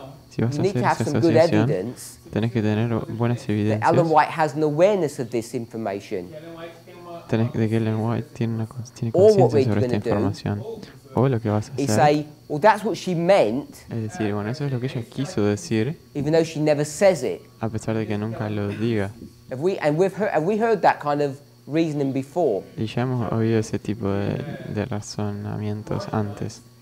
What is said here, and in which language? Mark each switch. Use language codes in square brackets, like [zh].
[es] si vas a hacer esa asociación, tenés que tener buenas evidencias. [en] Ellen White has an awareness of this information. [es] Tenés que Ellen White tiene conciencia sobre esta información. O lo que vas a hacer. [en] Say, well, that's what she meant, [es] es decir, bueno, eso es lo que ella quiso decir. [en] Even though she never says it. [es] A pesar de que nunca lo diga. [en] Have we heard that kind of reasoning before? [es] Y ya hemos oído ese tipo de razonamientos antes.